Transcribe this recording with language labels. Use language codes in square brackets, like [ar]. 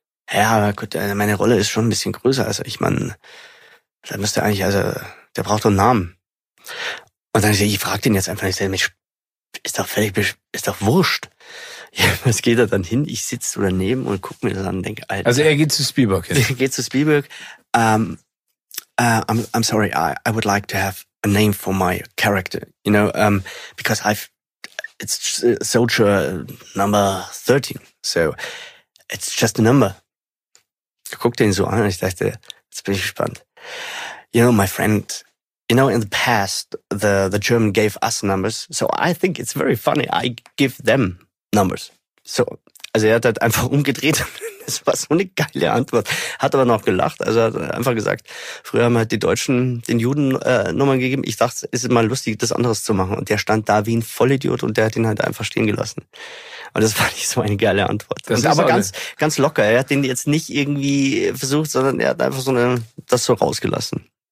[de] Ja, gut, meine Rolle ist schon ein bisschen größer. Also ich meine, da müsste eigentlich, also, der braucht doch einen Namen. Und dann ich frage den jetzt einfach, ich sage, ist doch wurscht. Ja, was geht da dann hin? Ich sitze so daneben und gucke mir das an und denke, Alter. Also er geht zu Spielberg jetzt. Geht zu Spielberg. [en] I'm sorry, I would like to have a name for my character, you know, because it's Soldier number 13, so it's just a number. [de] Ich guckte ihn so an und ich dachte, jetzt bin ich gespannt. [en] You know, my friend, you know, in the past, the German gave us numbers, so I think it's very funny, I give them numbers. [de] So, also er hat halt einfach umgedreht und Das war so eine geile Antwort. Hat aber noch gelacht. Also hat einfach gesagt, früher haben halt die Deutschen den Juden Nummern gegeben. Ich dachte, es ist mal lustig, das anderes zu machen. Und der stand da wie ein Vollidiot und der hat ihn halt einfach stehen gelassen. Und das fand ich so eine geile Antwort. Das ist aber ganz, ganz locker. Er hat den jetzt nicht irgendwie versucht, sondern er hat einfach so eine, das so rausgelassen.